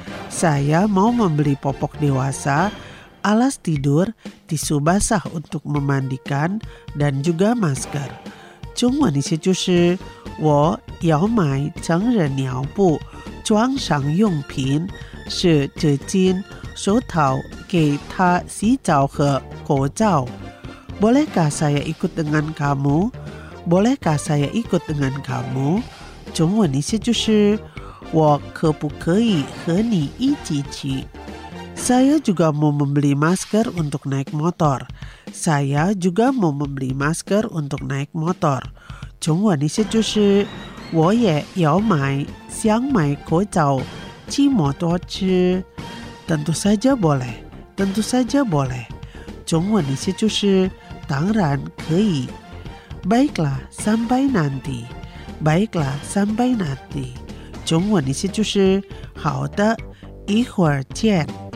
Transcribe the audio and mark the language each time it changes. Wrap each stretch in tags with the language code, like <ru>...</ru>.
<id>Saya mau membeli popok dewasa, alas tidur, tisu basah untuk memandikan, dan juga masker.</id> <zh>中文意思就是我要买成人尿布、床上用品、湿纸巾、手套给他洗澡和口罩。</zh> <id>Bolehkah saya ikut dengan kamu? Bolehkah saya ikut dengan kamu?</id> <zh>中文意思就是我可不可以和你一起去？</zh> <id>Saya juga mau membeli masker untuk naik motor. Saya juga mau membeli masker untuk naik motor.</id> <zh>中文意思就是我也要买，想买口罩，骑摩托车。</zh> <id>Tentu saja boleh, tentu saja boleh.</id> <zh>中文意思就是当然可以。</zh> <id>Baiklah, sampai nanti. Baiklah, sampai nanti.</id> <zh>中文意思就是好的，一会儿见。</zh>